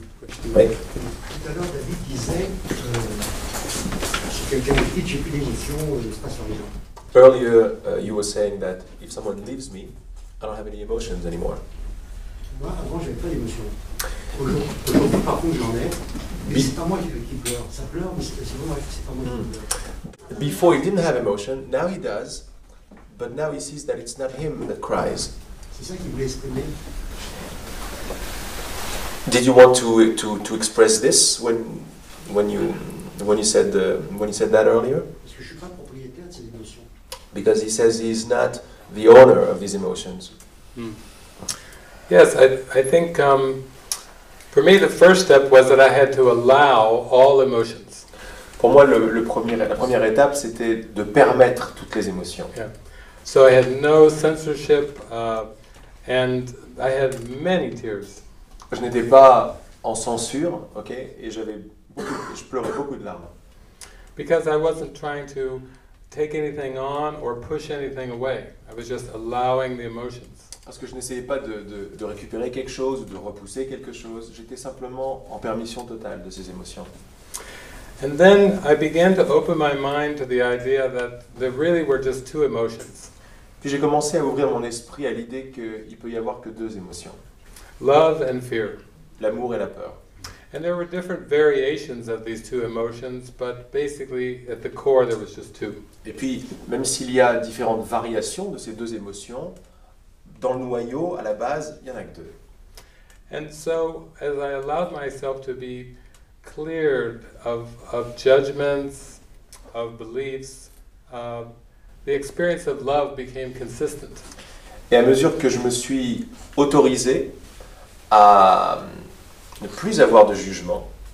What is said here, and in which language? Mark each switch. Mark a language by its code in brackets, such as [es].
[fr] Tout à l'heure, David disait, si quelqu'un me quitte, j'ai plus d'émotion, je passe en vivant. [en] Earlier, you were saying that if someone leaves me, I don't have any emotions anymore. [fr] Moi, avant, j'avais pas d'émotion. Aujourd'hui, par contre, j'en ai. Mais c'est pas moi qui pleure. Ça pleure, mais c'est pas moi qui pleure. [en] Before, he didn't have emotion. Now he does. But now he sees that it's not him that cries. [fr] C'est ça qu'il voulait exprimer. [en] Did you want to express this when you said that earlier? [fr] Parce que je suis pas propriétaire de ses émotions. [en] Because he says he's not the owner of his emotions. Yes, I think for me the first step was that I had to allow all emotions. [fr] Pour moi la première étape c'était de permettre toutes les émotions. [en] Yeah. So I had no censorship and I had many tears. [fr] Je n'étais pas en censure, ok, et je pleurais beaucoup de larmes. [en] Because I wasn't trying to take anything on or push anything away. I was just allowing the emotions. [fr] Parce que je n'essayais pas de récupérer quelque chose ou de repousser quelque chose. J'étais simplement en permission totale de ces émotions. [en] And then I began to open my mind to the idea that there really were just two emotions. [fr] Puis j'ai commencé à ouvrir mon esprit à l'idée qu'il peut y avoir que deux émotions. [en] Love and fear. [fr] L'amour et la peur. [en] And there were different variations of these two emotions, but basically, at the core, there was just two. [fr] Et puis, même s'il y a différentes variations de ces deux émotions, dans le noyau, à la base, il y en a que deux. [en] And so, as I allowed myself to be cleared of judgments, of beliefs, the experience of love became consistent. [fr] Et à mesure que je me suis autorisé à ne plus avoir de jugement.